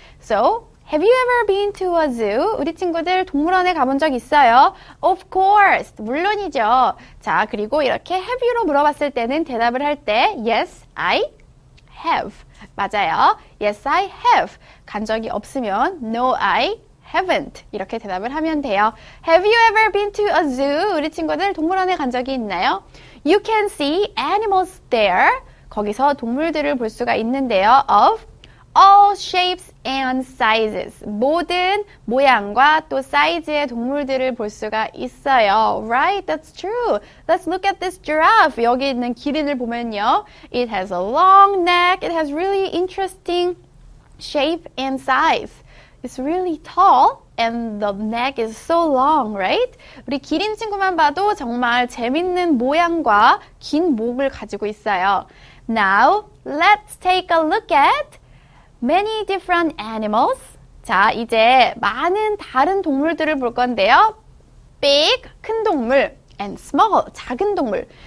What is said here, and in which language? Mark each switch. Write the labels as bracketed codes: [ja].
[en] So, Have you ever been to a zoo? [ko] 우리 친구들 동물원에 가본 적 있어요? [en] Of course! [ko] 물론이죠. 자, 그리고 이렇게 have you로 물어봤을 때는 대답을 할 때 [en] Yes, I have. [ko] 맞아요. [en] Yes, I have. [ko] 간 적이 없으면 [en] No, I haven't. [ko] 이렇게 대답을 하면 돼요. [en] Have you ever been to a zoo? [ko] 우리 친구들 동물원에 간 적이 있나요? [en] You can see animals there. [ko] 거기서 동물들을 볼 수가 있는데요. [en] Of all shapes and sizes. [ko] 모든 모양과 또 사이즈의 동물들을 볼 수가 있어요. [en] Right? That's true. Let's look at this giraffe. [ko] 여기 있는 기린을 보면요. [en] It has a long neck. It has really interesting shape and size. It's really tall and the neck is so long, right? [ko] 우리 기린 친구만 봐도 정말 재밌는 모양과 긴 몸을 가지고 있어요. [en] Now, let's take a look at Many different animals. [ko] 자, 이제 많은 다른 동물들을 볼 건데요. Big, 큰 동물. [en] And small, [ko] 작은 동물.